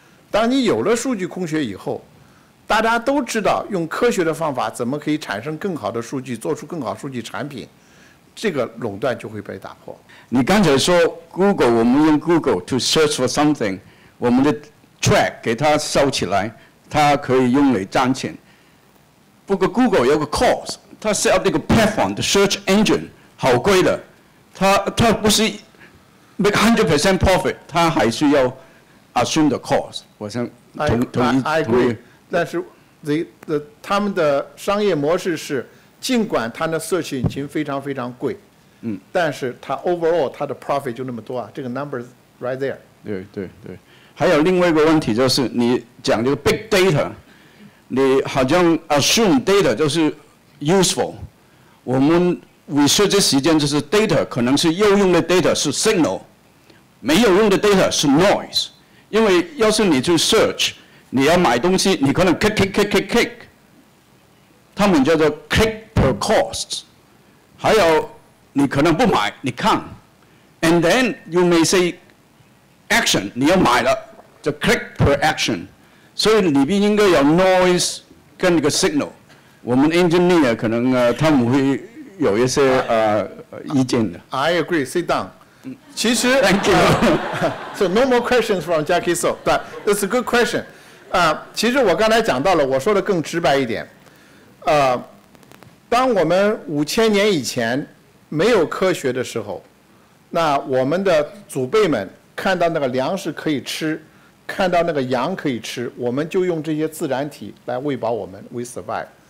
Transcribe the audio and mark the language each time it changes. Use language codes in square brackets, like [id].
[zh] 当你有了数据工学以后，大家都知道用科学的方法怎么可以产生更好的数据，做出更好数据产品，这个垄断就会被打破。你刚才说 Google， 我们用 Google [en] to search for something， [zh] 我们的 track 给它收起来，它可以用来赚钱。不过 Google 有个 cost， 它 [en] set up [zh] 那个 platform 的 [en] search engine [zh] 好贵的，它不是 [en] make 100% profit， [zh] 它还是要 [en] assume the cost。 [zh] 我想同意。但是他们的商业模式是，尽管它的 search 引擎非常非常贵，但是它 overall 它的 profit 就那么多啊，这个 [en] number is right there。 [zh] 对，还有另外一个问题，就是你讲这个 big data， 你好像 assume data 就是 useful， 我们 research 的时间就是 data， 可能是有用的 data 是 signal， 没有用的 data 是 noise。因为要是你去 search， 你要买东西，你可能 click，他们叫做 [en] click per cost， [zh] 还有你可能不买，你看 ， [en] and then you may say action， [zh] 你要买了，就 [en] click per action， [zh] 所以里面应该有 noise 跟一个 signal。我们 engineer 可能他们会有一些意见的。 [en] I agree， sit down。 [zh] 其实 [en] ，thank you。 So no more questions from Jackie So， but it's a good question。 [zh] 其实我刚才讲到了，我说的更直白一点。当我们5000年以前没有科学的时候，那我们的祖辈们看到那个粮食可以吃，看到那个羊可以吃，我们就用这些自然体来喂饱我们 ， [en] we survive。